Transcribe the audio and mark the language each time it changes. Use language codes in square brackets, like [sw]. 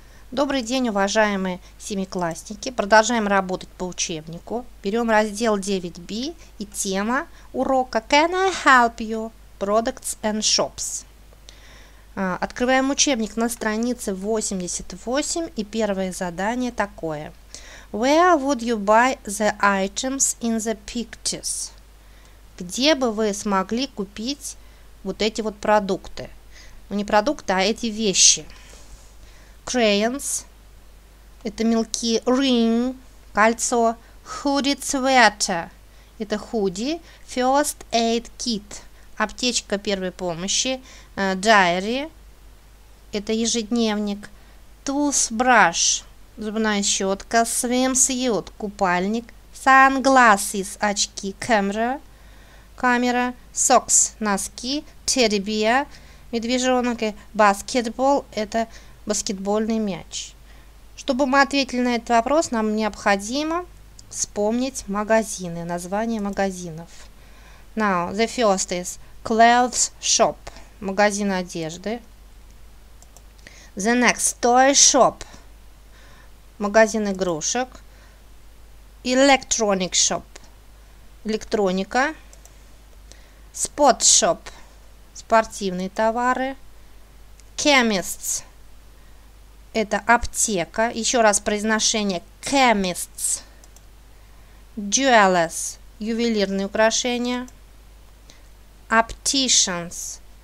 [ru] Добрый день, уважаемые семиклассники. Продолжаем работать по учебнику. Берем раздел 9b и тема урока [en] Can I help you? Products and shops. [ru] Открываем учебник на странице 88 и первое задание такое. [en] Where would you buy the items in the pictures? [ru] Где бы вы смогли купить вот эти вот продукты? Ну, не продукты, а эти вещи. Crayons, это мелки, ring, кольцо, hooded sweater, это худи, first aid kit, аптечка первой помощи, diary, это ежедневник, toothbrush, зубная щетка, swimsuit, купальник, sunglasses, очки, камера, socks, носки, teddy bear, медвежонок, basketball, это баскетбольный мяч. Чтобы мы ответили на этот вопрос, нам необходимо вспомнить магазины, названия магазинов. [en] Now, the first is clothes shop, [ru] магазин одежды. [en] The next, toy shop, [ru] магазин игрушек. [en] Electronic shop, электроника. Sport shop, [ru] спортивные товары. Chemists, это аптека. Еще раз произношение. Chemists. Jewelers. Ювелирные украшения. Opticians.